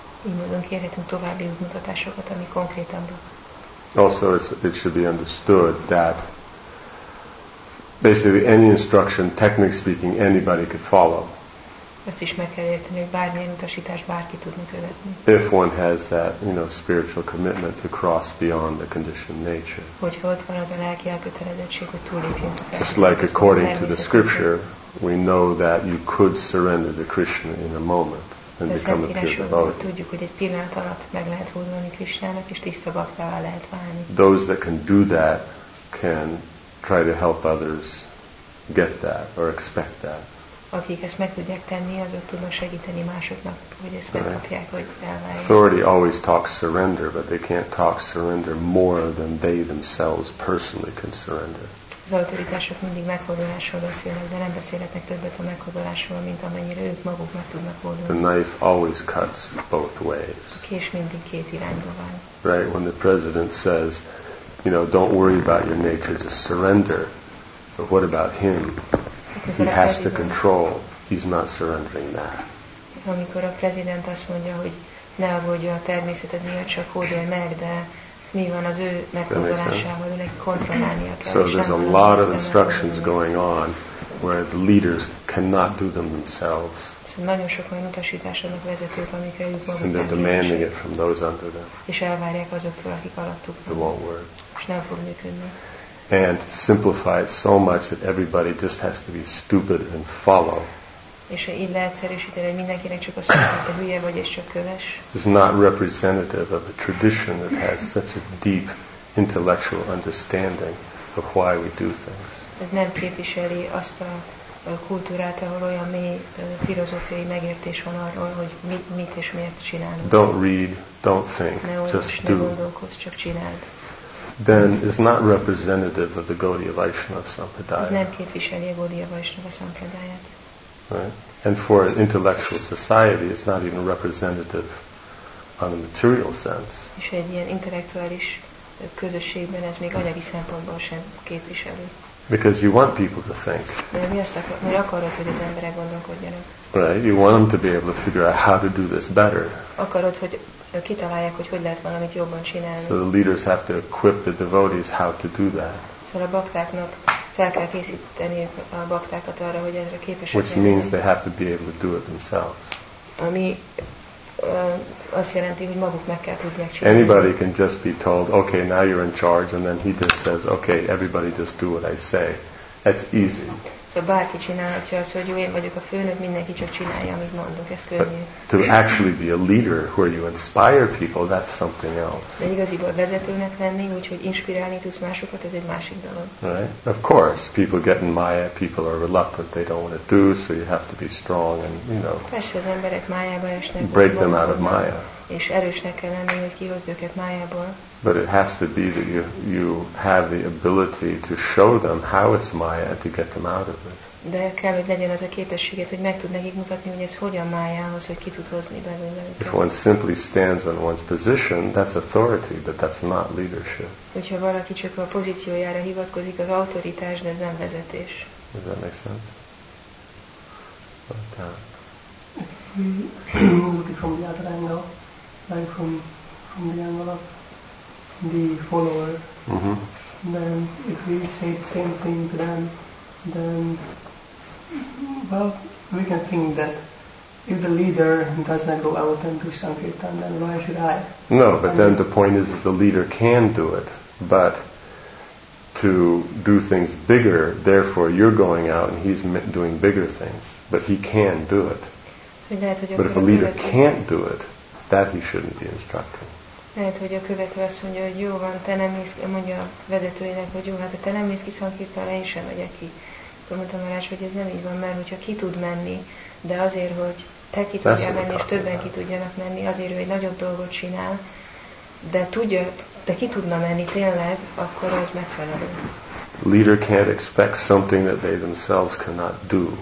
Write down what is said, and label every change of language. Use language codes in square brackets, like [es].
[hu] Így mondom, kérhetünk további útmutatásokat, ami konkrétabbak. [en] Also, it should be understood that basically any instruction, technically speaking, anybody could follow. [hu] Ezt is meg kell érteni, hogy bármilyen utasítást bárki tudni követni. [en] If one has that, you know, spiritual commitment to cross beyond the conditioned nature. [hu] Hogyha ott van az a lelki elkötelezettség, hogy túlépjünk. [en] Just like according to the scripture, we know that you could surrender to Krishna in a moment and become a pure devotee. [hu] Tudjuk, hogy egy pillanat alatt meg lehet hódolni Krisnának, és tiszta baktává lehet válni. [en] Those that can do that can try to help others get that or expect that. [hu] Akik ezt meg tudják tenni, azok tudnak segíteni másoknak, hogy ezt megkapják, hogy elvárják. [en] Authority always talks surrender, but they can't talk surrender more than they themselves personally can surrender. [hu] az autoritások mindig meghódolásról beszélnek, de nem beszélhetnek többet a meghódolásról, mint amennyire ők maguk meg tudnak hódolni. [en] The knife always cuts both ways. [hu] A kés mindig két irányba van. [en] Right, when the president says, you know, don't worry about your nature, just surrender. But what about him? He has to control. He's not surrendering that. [hu] Amikor a prezident azt mondja, hogy ne aggódj a természeted miatt, csak hódolj meg, de mi van az ő meghódolásával, őnek kontrollálnia kell. [en] So there's a lot of instructions going on where the leaders cannot do them themselves. [hu] Nagyon sok olyan utasítás adnak vezetők, amikre ők maguk [en] and they're demanding it from those under them. [hu] És elvárják azoktól, akik alattuk van. [en] It won't work. [hu] És nem fog működni. [en] And simplify it so much that everybody just has to be stupid and follow. [hu] És ha így leegyszerűsíteni, hogy mindenkinek csak azt mondja, hogy hülye vagy, és csak köves. [en] It's not representative of a tradition that has such a deep intellectual understanding of why we do things. [hu] Ez nem képviseli azt a kultúrát, ahol olyan mély filozófiai megértés van arról, hogy mit és miért csinálunk. [en] Don't read, don't think, just do. [hu] Ne gondolkozz, csak csináld. [en] Then is not representative of the Gaudiya Vaishnava Sampradaya. [hu] Ez nem képviseli a Gaudiya Vaishnava Sampradayát. [en] Right? And for an intellectual society, it's not even representative on a material sense. [hu] És egy ilyen intellektuális közösségben ez még anyagi szempontból sem képviseli. [en] Because you want people to think. [hu] Mi akarod, hogy az emberek gondolkodjanak? [en] Right? You want them to be able to figure out how to do this better. [hu] Akarod, hogy kitalálják, hogy hogyan lehet valamit jobban csinálni. [en] So the leaders have to equip the devotees how to do that. [hu] Szóval a baktáknak fel kell készíteni a baktákat arra, hogy erre képesek. [en] Which means they have to be able to do it themselves. [hu] Ami azt jelenti, hogy maguk meg kell tudják csinálni. [en] Anybody can just be told, okay, now you're in charge, and then he just says, okay, everybody just do what I say. That's easy. [hu] Szóval bárki csinálhatja azt, hogy jó, én vagyok a főnök, mindenki csak csinálja, amit mondok, ez könnyű. [en] But to actually be a leader where you inspire people, that's something else. [hu] De igaziból vezetőnek lenni, úgyhogy inspirálni tudsz másokat, ez egy másik dolog. [en] Right? Of course, people get in maya, people are reluctant, they don't want to do, so you have to be strong and, you know. [hu] Persze az emberek májába esnek. [en] Break them out of maya. [hu] És erősnek kell lenni, hogy kihozd őket májából. [en] But it has to be that you have the ability to show them how it's maya to get them out of it. [hu] De kell, hogy legyen az a képességet, hogy meg tud nekik mutatni, hogy ez hogyan májához, hogy ki tud hozni belőle. [en] If one simply stands on one's position, that's authority, but that's not leadership. [hu] Hogyha valaki csak a pozíciójára hivatkozik, az autoritás, de ez nem vezetés. [en] Does that make sense? From the angle of the follower, mm-hmm. then if we say the same thing to them, then, well, we can think that if the leader does not go out and do Sankirtan, then why should I? No, but then the point is the leader can do it, but to do things bigger, therefore you're going out and he's doing bigger things, but he can do it. But if a leader can't do it, that he shouldn't be instructing. [hu] Lehet, hogy a követő azt mondja, hogy jó van, te nem mész ki, mondja a vezetőjének, hogy jó, hát te nem mész ki szankirtanra, én sem megyek ki. Akkor mondtam arra, hogy ez nem így van, mert hogyha ki tud menni, de azért, hogy te ki tudjál menni, és többen ki tudjanak menni, azért ő egy nagyobb dolgot csinál, de tudja, de ki tudna menni tényleg, akkor az megfelelő. [en] Leader can't expect something that they themselves cannot do.